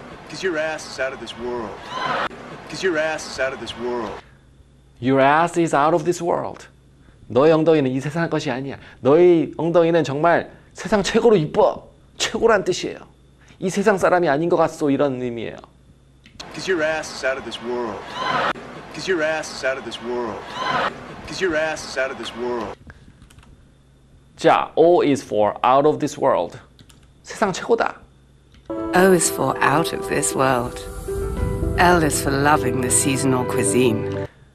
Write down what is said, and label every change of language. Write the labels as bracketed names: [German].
[English] Cause your ass is out of this world. Cause your ass is out of this world. Your ass is out of this world. [Korean] 너의 엉덩이는 이 세상 것이 아니야. 너의 엉덩이는 정말 세상 최고로 이뻐. 최고란 뜻이에요. 이 세상 사람이 아닌 것 같소. 이런 의미예요. [English] Cause your ass is out of this world. Cause your ass is out of this world. Cause your ass is out of this world. 자, O is for out of this world. [Korean] 세상 최고다. [English] O is for out of this world. L is for loving the seasonal cuisine.